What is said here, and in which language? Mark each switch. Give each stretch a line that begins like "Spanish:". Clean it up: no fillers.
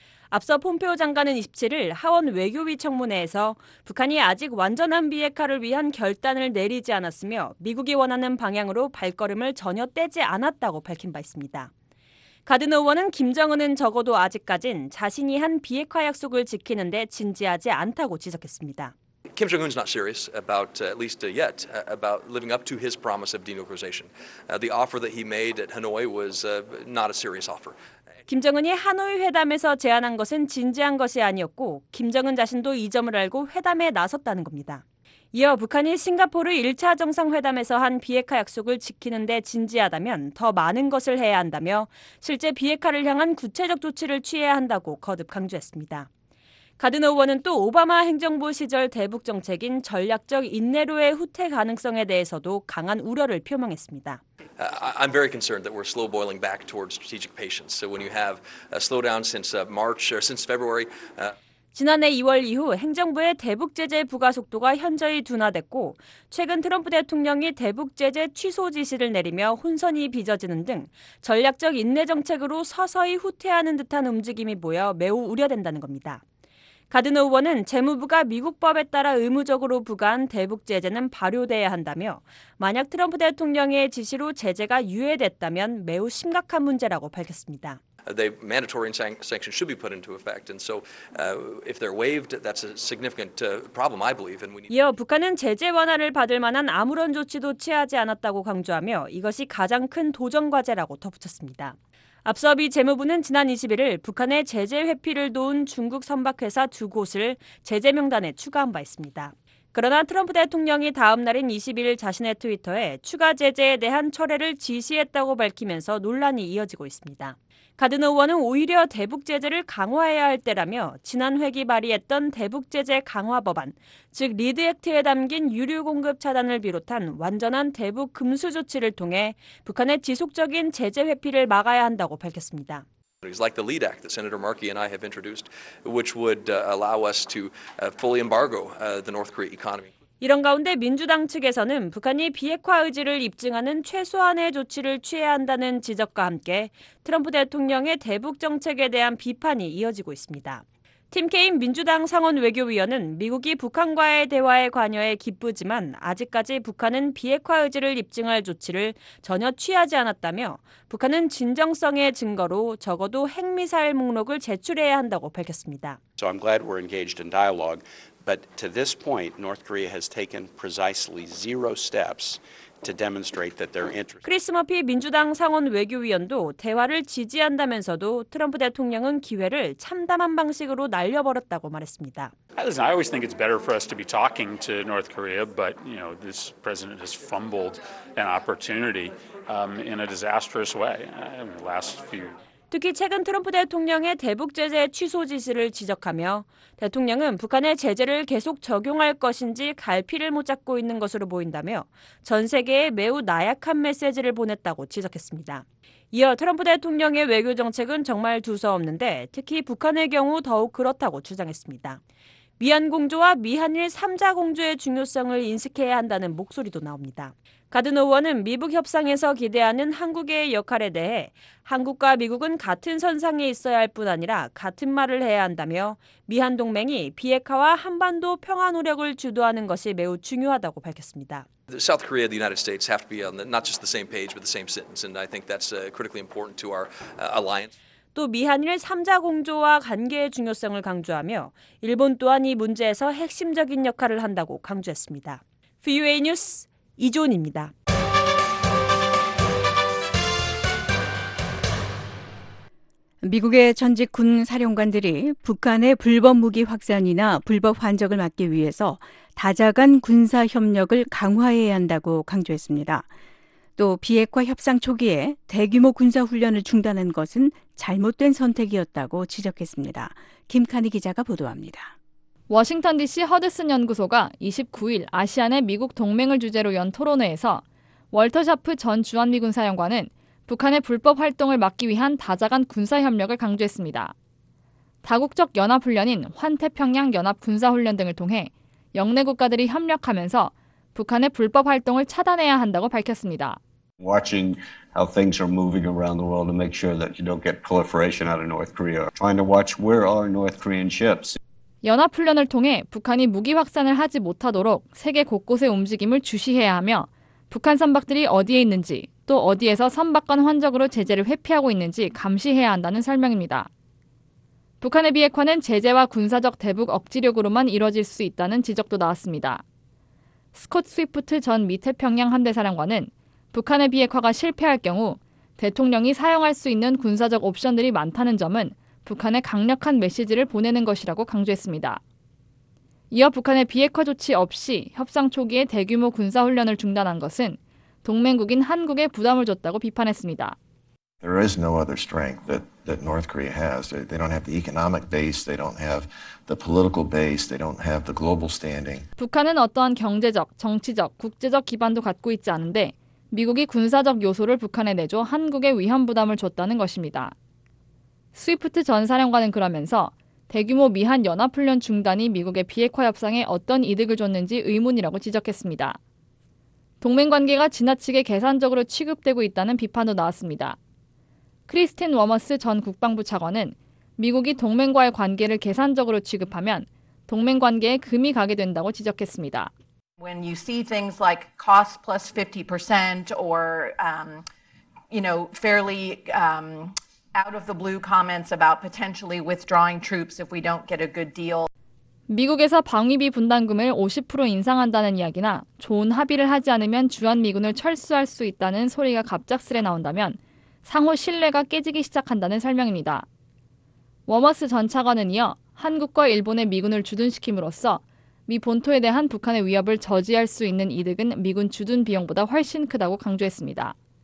Korean: 앞서 폼페오 장관은 27일 하원 외교위 청문회에서 북한이 아직 완전한 비핵화를 위한 결단을 내리지 않았으며 미국이 원하는 방향으로 발걸음을 전혀 떼지 않았다고 밝힌 바 있습니다. 가드너 의원은 김정은은 적어도 아직까진 자신이 한 비핵화 약속을 지키는 데 진지하지 않다고 지적했습니다.
English: Kim Jong-un's not serious about at least yet about living up to his promise of denuclearization. The offer that he made at Hanoi was not a serious offer.
Korean: 김정은이 하노이 회담에서 제안한 것은 진지한 것이 아니었고 김정은 자신도 이 점을 알고 회담에 나섰다는 겁니다. 이어 북한이 싱가포르 1차 정상회담에서 한 비핵화 약속을 지키는 데 진지하다면 더 많은 것을 해야 한다며 실제 비핵화를 향한 구체적 조치를 취해야 한다고 거듭 강조했습니다. 가드너 의원은 또 오바마 행정부 시절 대북 정책인 전략적 인내로의 후퇴 가능성에 대해서도 강한 우려를 표명했습니다.
English: I'm very concerned that we're slow boiling back towards strategic patience. So when you have a slowdown since March or since February,
Korean: 지난해 2월 이후 행정부의 대북 제재 부과 속도가 현저히 둔화됐고 최근 트럼프 대통령이 대북 제재 취소 지시를 내리며 혼선이 빚어지는 등 전략적 인내 정책으로 서서히 후퇴하는 듯한 움직임이 보여 매우 우려된다는 겁니다. 가드너 의원은 재무부가 미국 법에 따라 의무적으로 부과한 대북 제재는 발효돼야 한다며 만약 트럼프 대통령의 지시로 제재가 유예됐다면 매우 심각한 문제라고 밝혔습니다.
English: The mandatory sanctions should be put into effect, and so if they're waived, that's a significant problem, I believe. And we need.
Korean: 이어 북한은 제재 완화를 받을 만한 아무런 조치도 취하지 않았다고 강조하며 이것이 가장 큰 도전 과제라고 덧붙였습니다. 앞서 미 재무부는 지난 21일 북한의 제재 회피를 도운 중국 선박회사 두 곳을 제재 명단에 추가한 바 있습니다. 그러나 트럼프 대통령이 다음 날인 21일 자신의 트위터에 추가 제재에 대한 철회를 지시했다고 밝히면서 논란이 이어지고 있습니다. 가드너 의원은 오히려 대북 제재를 강화해야 할 때라며 지난 회기 발의했던 대북 제재 강화 법안, 즉 리드 액트에 담긴 유류 공급 차단을 비롯한 완전한 대북 금수 조치를 통해 북한의 지속적인 제재 회피를 막아야 한다고 밝혔습니다.
English: It's like the lead act that Senator Markey and I have introduced, which would allow us to fully embargo the North Korea economy.
Korean: 이런 가운데 민주당 측에서는 북한이 비핵화 의지를 입증하는 최소한의 조치를 취해야 한다는 지적과 함께 트럼프 대통령의 대북 정책에 대한 비판이 이어지고 있습니다. 팀 케인 민주당 상원 외교위원은 미국이 북한과의 대화에 관여해 기쁘지만 아직까지 북한은 비핵화 의지를 입증할 조치를 전혀 취하지 않았다며 북한은 진정성의 증거로 적어도 핵미사일 목록을 제출해야 한다고 밝혔습니다.
English: So I'm glad we're engaged in dialogue. But to this point, North Korea has taken precisely zero steps to demonstrate that they're interested.
Korean: 크리스 머피 민주당 상원 외교위원도 대화를 지지한다면서도 트럼프 대통령은 기회를 참담한 방식으로 날려버렸다고 말했습니다.
English: Listen, I always think it's better for us to be talking to North Korea, but you know this president has fumbled an opportunity in a disastrous way in the last few.
Korean: 특히 최근 트럼프 대통령의 대북 제재 취소 지시를 지적하며 대통령은 북한의 제재를 계속 적용할 것인지 갈피를 못 잡고 있는 것으로 보인다며 전 세계에 매우 나약한 메시지를 보냈다고 지적했습니다. 이어 트럼프 대통령의 외교 정책은 정말 두서없는데 특히 북한의 경우 더욱 그렇다고 주장했습니다. 미한 공조와 미한일 3자 공조의 중요성을 인식해야 한다는 목소리도 나옵니다. 가드너 의원은 미북 협상에서 기대하는 한국의 역할에 대해 한국과 미국은 같은 선상에 있어야 할 뿐 아니라 같은 말을 해야 한다며 미한 동맹이 비핵화와 한반도 평화 노력을 주도하는 것이 매우 중요하다고 밝혔습니다.
English: South Korea and the United States have to be on the, not just the same page but the same sentence and I think that's critically important to our alliance.
Korean: 또 미한일 3자 공조와 관계의 중요성을 강조하며 일본 또한 이 문제에서 핵심적인 역할을 한다고 강조했습니다. VOA 뉴스 이조은입니다. 미국의 전직 군 사령관들이 북한의 불법 무기 확산이나 불법 환적을 막기 위해서 다자간 군사 협력을 강화해야 한다고 강조했습니다. 또 비핵화 협상 초기에 대규모 군사훈련을 중단한 것은 잘못된 선택이었다고 지적했습니다. 김카니 기자가 보도합니다. 워싱턴 DC 허드슨 연구소가 29일 아시안의 미국 동맹을 주제로 연 토론회에서 월터 샤프 전 주한미 군사령관은 북한의 불법 활동을 막기 위한 다자간 군사협력을 강조했습니다. 다국적 연합훈련인 환태평양 연합군사훈련 등을 통해 영내 국가들이 협력하면서 북한의 불법 활동을 차단해야 한다고 밝혔습니다.
English: Watching how things are moving around the world to make sure that you don't get proliferation out of North Korea. Trying to watch where are North Korean ships.
Korean: 연합훈련을 통해 북한이 무기 확산을 하지 못하도록 세계 곳곳의 움직임을 주시해야 하며 북한 선박들이 어디에 있는지 또 어디에서 선박 간 환적으로 제재를 회피하고 있는지 감시해야 한다는 설명입니다. 북한의 비핵화는 제재와 군사적 대북 억지력으로만 이뤄질 수 있다는 지적도 나왔습니다. 스콧 스위프트 전 미태평양 함대사령관은 북한의 비핵화가 실패할 경우 대통령이 사용할 수 있는 군사적 옵션들이 많다는 점은 북한의 강력한 메시지를 보내는 것이라고 강조했습니다. 이어 북한의 비핵화 조치 없이 협상 초기에 대규모 군사훈련을 중단한 것은 동맹국인 한국에 부담을 줬다고 비판했습니다.
English: There is no other strength that North Korea has. They don't have the economic base, they don't have the political base, they don't have the global standing.
Korean: 북한은 어떠한 경제적, 정치적, 국제적 기반도 갖고 있지 않은데 미국이 군사적 요소를 북한에 내줘 한국에 위험 부담을 줬다는 것입니다. 스위프트 전 사령관은 그러면서 대규모 미한 연합훈련 중단이 미국의 비핵화 협상에 어떤 이득을 줬는지 의문이라고 지적했습니다. 동맹관계가 지나치게 계산적으로 취급되고 있다는 비판도 나왔습니다. 크리스틴 워머스 전 국방부 차관은 미국이 동맹과의 관계를 계산적으로 취급하면 동맹관계에 금이 가게 된다고 지적했습니다.
English: When you see things like cost plus 50% or, you know, fairly out of the blue comments about potentially withdrawing troops if we don't get a good deal.
Korean: 미국에서 방위비 분담금을 50% 인상한다는 이야기나 좋은 합의를 하지 않으면 주한미군을 철수할 수 있다는 소리가 갑작스레 나온다면 상호 신뢰가 깨지기 시작한다는 설명입니다. 워머스 전 차관은 이어 한국과 일본의 미군을 주둔시킴으로써 미 본토에 대한 북한의 위협을 저지할 수 있는 이득은 미군 주둔 비용보다 훨씬 크다고 강조했습니다.